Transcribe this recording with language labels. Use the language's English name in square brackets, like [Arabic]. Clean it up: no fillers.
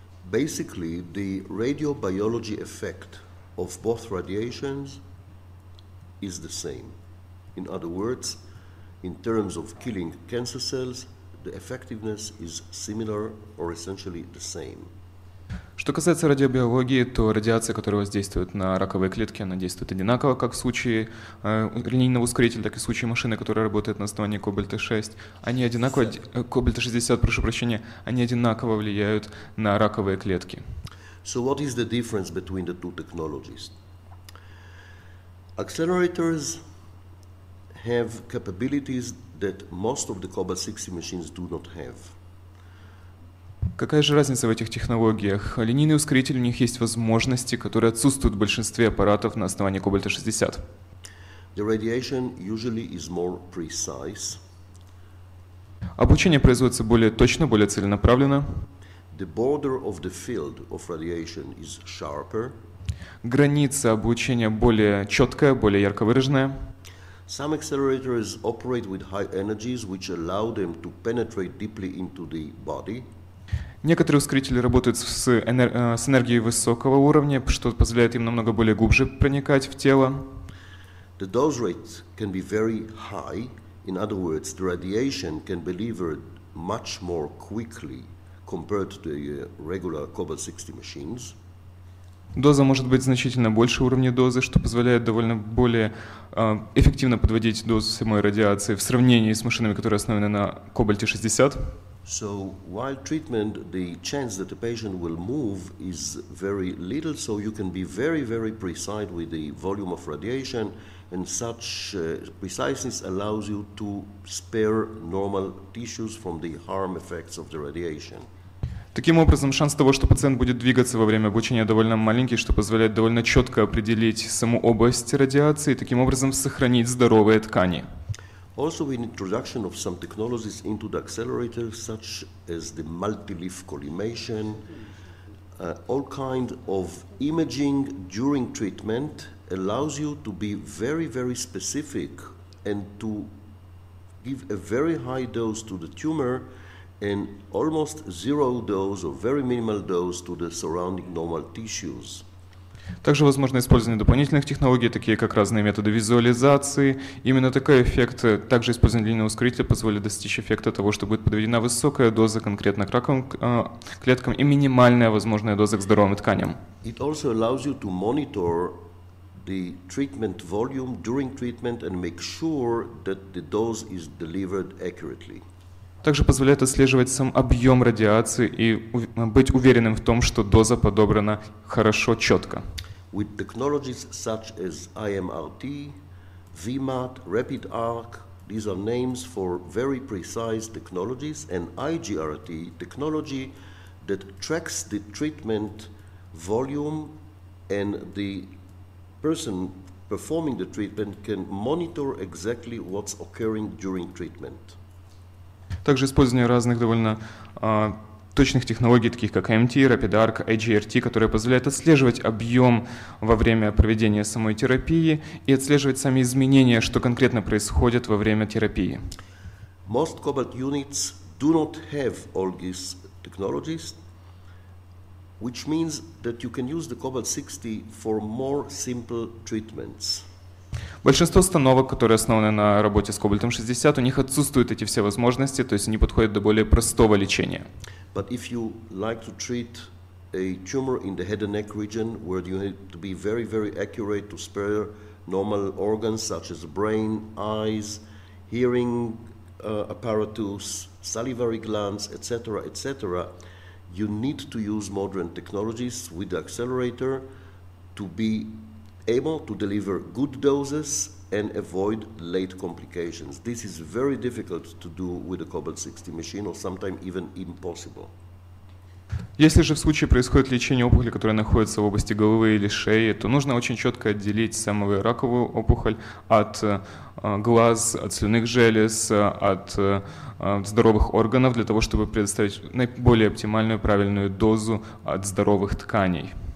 [English] Basically, the radiobiology effect of both radiations is the same. In other words, in terms of killing cancer cells, the effectiveness is similar or essentially the same. [Russian] Что касается радиобиологии, то радиация, которая воздействует на раковые клетки, она действует одинаково, как в случае линейного ускорителя, так и в случае машины, которая работает на основании кобальта-6. Они одинаково, кобальта-60, прошу прощения, они одинаково влияют на раковые клетки. [English] So what is the difference between the two technologies? Accelerators have capabilities that most of the Cobalt 60 machines do not have. [Russian] Какая же разница в этих технологиях? Линейный ускоритель, у них есть возможности, которые отсутствуют в большинстве аппаратов на основании Cobalt 60. [English] The radiation usually is more precise. [Russian] Облучение производится более точно, более целенаправленно. [English] The border of the field of radiation is sharper. [Russian] Граница облучения более четкая, более ярко выраженная. [English] Some accelerators operate with high energies, which allow them to penetrate deeply into the body. [Russian] Некоторые ускорители работают с энергией высокого уровня, что позволяет им намного более глубже проникать в тело. [English] The dose rate can be very high. In other words, the radiation can be delivered much more quickly compared to the regular Cobalt 60 machines. [Russian] Доза может быть значительно больше уровня дозы, что позволяет довольно более эффективно подводить дозу самой радиации в сравнении с машинами, которые основаны на кобальте 60. [English] So while treatment, the chance that the patient will move is very little, so you can be very, very precise with the volume of radiation, and such preciseness allows you to spare normal tissues from the harm effects of the radiation. [Russian] Таким образом, шанс того, что пациент будет двигаться во время облучения, довольно маленький, что позволяет довольно четко определить саму область радиации и таким образом сохранить здоровые ткани. [English] Also, with introduction of some technologies into the accelerator, such as the multi-leaf collimation, all kind of imaging during treatment allows you to be very, very specific and to give a very high dose to the tumor and almost zero dose or very minimal dose to the surrounding normal tissues. [Russian] Также возможно использование дополнительных технологий, такие как разные методы визуализации. Именно такой эффект, также использование линейного ускорителя, позволит достичь эффекта того, что будет подведена высокая доза конкретно к раковым клеткам и минимальная возможная доза к здоровым тканям. [English] It also allows you to monitor the treatment volume during treatment and make sure that the dose is delivered accurately. [Russian] Также позволяет отслеживать сам объем радиации и быть уверенным в том, что доза подобрана хорошо, четко. [English] With technologies such as IMRT, VMAT, Rapid Arc, These are names for very precise technologies, and IGRT technology that tracks the treatment volume, and the person performing the treatment can monitor exactly what's occurring during treatment. [Russian] Также использование разных довольно точных технологий, таких как AMT, Rapid Arc, IGRT, которые позволяют отслеживать объем во время проведения самой терапии и отслеживать сами изменения, что конкретно происходит во время терапии. [English] Most cobalt units do not have all these technologies, which means that you can use the cobalt 60 for more simple treatments. [Russian] Большинство установок, которые основаны на работе с кобальтом 60, у них отсутствуют эти все возможности, то есть они подходят до более простого лечения. [English] But if you like to treat a tumor in the head and neck region where you need to be very, very accurate to spare normal organs such as brain, eyes, hearing apparatus, salivary glands, etc., etc., you need to use modern technologies with the accelerator to be able to deliver good doses and avoid late complications. This is very difficult to do with a cobalt 60 machine, or sometimes even impossible. [Russian] Если же в случае происходит лечение опухоли, которая находится в области головы или шеи, то нужно очень четко отделить самую раковую опухоль от глаз, от слюнных желез, от здоровых органов для того, чтобы предоставить наиболее оптимальную, правильную дозу от здоровых тканей.